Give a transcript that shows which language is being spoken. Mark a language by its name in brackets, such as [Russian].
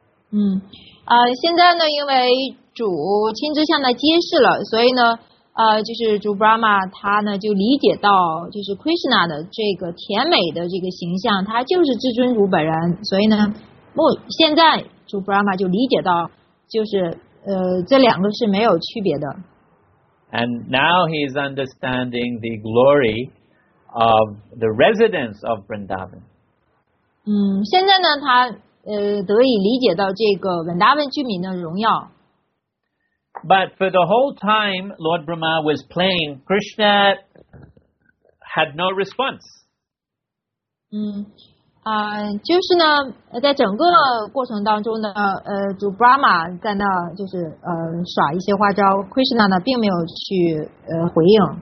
[Chinese] 现在呢，因为主亲自向他揭示了，所以呢，就是主 Brahma 他呢就理解到，就是 Krishna 的这个甜美的这个形象，他就是至尊主本人，所以呢，现在主 Brahma 就理解到，就是。这两个是没有区别的。 [English] And now he is understanding the glory of the residents of Vrindavan. [Chinese] 现在呢，他得以理解到这个文达文居民的荣耀。 [English] But for the whole time Lord Brahma was playing, Krishna had no response. [Chinese] 就是呢，在整个过程当中呢，主 Brahma 在那就是耍一些花招 ，Krishna 呢并没有去回应。